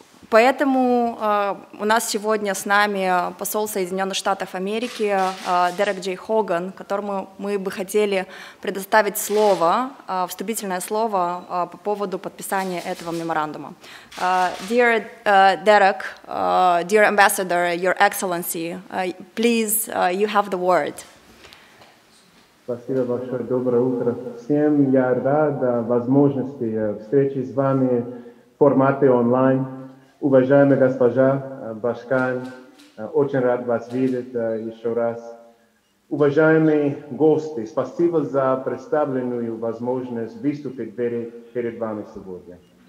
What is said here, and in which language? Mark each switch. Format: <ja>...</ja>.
<ru>Поэтому у нас сегодня с нами посол Соединенных Штатов Америки Дерек Джей Хоган, которому мы бы хотели предоставить слово, вступительное слово по поводу подписания этого меморандума.</ru> <en>Dear Derek, dear Ambassador, Your Excellency, please, you have the word.</en> <ru>Спасибо большое. Доброе утро всем. Я рад возможности встречи с вами в формате онлайн. Уважаемая госпожа Башкан, очень рад вас видеть еще раз. Уважаемые гости, спасибо за представленную возможность выступить перед вами сегодня.</ru>